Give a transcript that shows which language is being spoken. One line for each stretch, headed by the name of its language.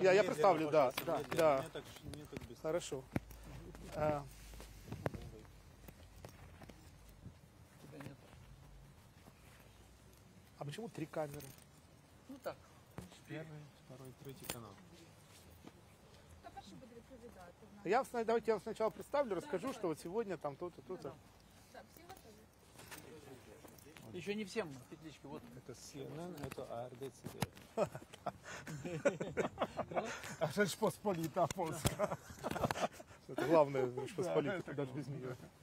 Russian: Я представлю, да. Да. Хорошо. А почему три камеры? Ну так. Первый, второй, третий канал.
Ukrainian: Кто перший буде відповідати?
Russian: Давайте я вам сначала представлю, расскажу, да, что вот сегодня там тут и тут. Да, все готовы. Еще не всем петлички. Вот. Это CNN, это ARD, CDN. А Речь Посполита Польска. Это главное, Речь Посполита, даже без нее.